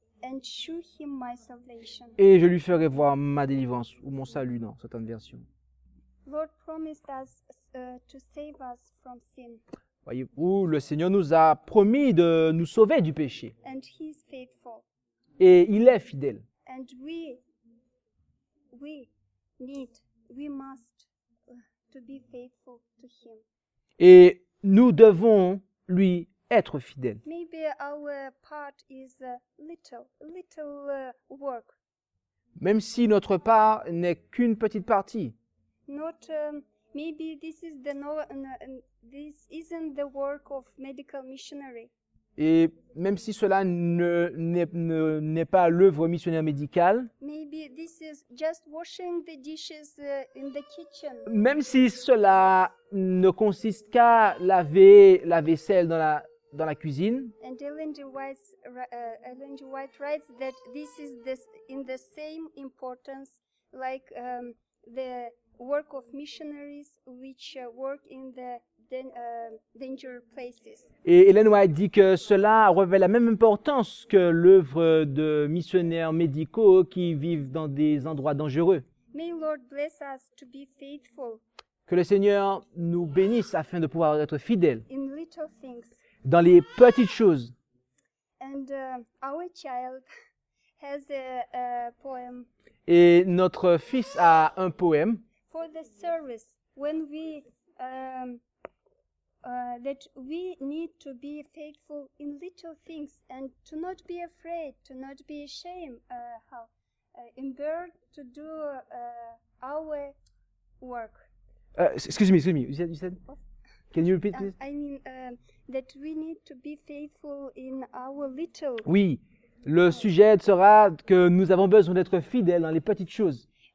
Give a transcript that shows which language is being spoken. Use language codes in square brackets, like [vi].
[en] And show him my salvation. [fr] Et je lui ferai voir ma délivrance ou mon salut dans certaines versions. [en] Lord promised us to save us from sin. [fr] Voyez-vous, le Seigneur nous a promis de nous sauver du péché. [en] And he is faithful. [fr] Et il est fidèle. [en] And we must to be faithful to him. [fr] Et nous devons lui être fidèles. [en] Maybe our part is a little work. [fr] Même si notre part n'est qu'une petite partie. [en] Not maybe this is the no, no this isn't the work of medical missionary. [fr] Et même si cela n'est pas l'œuvre missionnaire médicale. [en] Maybe this is just washing the dishes in the kitchen. [fr] Même si cela ne consiste qu'à laver la vaisselle dans la cuisine. [en] And Ellen G. White writes that this is this in the same importance like the work of missionaries which work in the danger places. [fr] Et Ellen White dit que cela revêt la même importance que l'œuvre de missionnaires médicaux qui vivent dans des endroits dangereux. [en] May Lord bless us to be faithful. [fr] Que le Seigneur nous bénisse afin de pouvoir être fidèles. [en] In little things. [fr] Dans les petites choses. [en] And our child has a poem. [fr] Et notre fils a un poème. [en] For the service, when we that we need to be faithful in little things and to not be afraid, to not be ashamed, embarrassed to do our work. Excuse me. You said. Can you repeat this? I mean that we need to be faithful in our little. [fr] Oui, le sujet sera que nous avons besoin d'être fidèles dans les petites choses.